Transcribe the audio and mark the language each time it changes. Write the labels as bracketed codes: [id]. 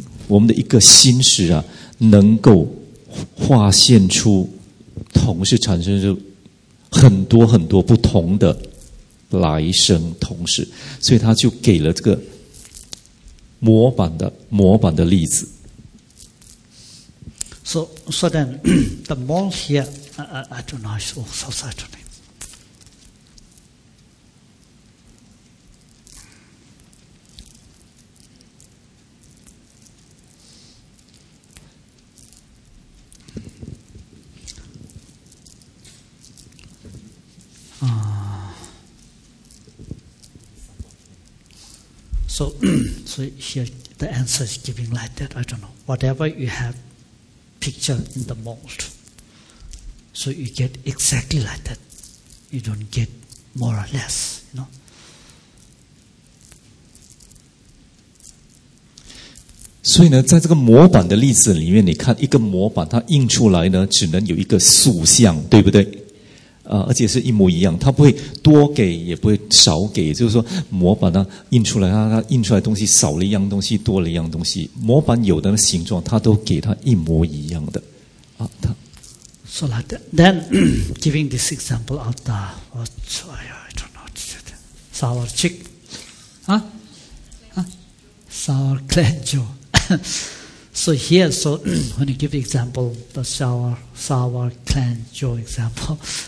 [zh] 我们的一个心识啊，能够化现出同时产生出很多很多不同的来生同时，所以他就给了这个模板的例子。 [en] So then the mold here, I don't know, it's also certain. So, so here the answer is giving like that. I don't know. Whatever you have picture in the mold, so you get exactly like that. You don't get more or less, you know. So, in this mold example, you see, a mold, it is printed out, only has one image, right? [zh] 而且是一模一样，它不会多给也不会少给，就是说模板它印出来，它印出来的东西少了一样东西，多了一样东西，模板有的形状它都给它一模一样的啊。它 [en] So like that, then giving this example of the what I don't know, sour chick, sour clenjo. So here, so when you give example the sour clenjo example.